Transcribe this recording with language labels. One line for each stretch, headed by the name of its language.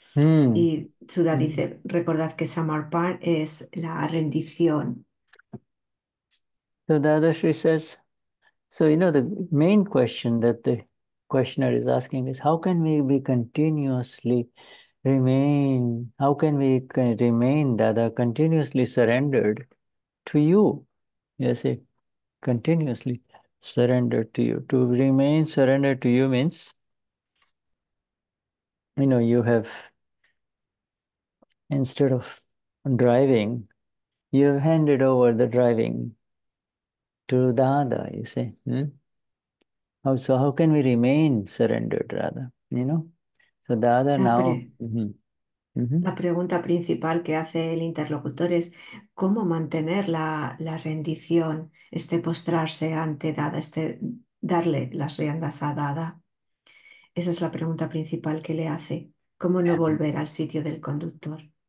Spanish: Y Sudha dice, recordad que samarpan es la rendición.
English: So Dadashri says, so the main question that the questioner is asking is, how can we be continuously remain, how can we remain Dada continuously surrendered to you? Yes, continuously surrendered to you. To remain surrendered to you means, you have, instead of driving, you have handed over the driving to Dada, you see. Oh, so how can we remain surrendered, rather? So Dada now.
Spanish: pregunta principal que hace el interlocutor es cómo mantener la rendición, este postrarse ante Dada, este darle las riendas a Dada. Esa es la pregunta principal que le hace, cómo no volver al sitio del conductor.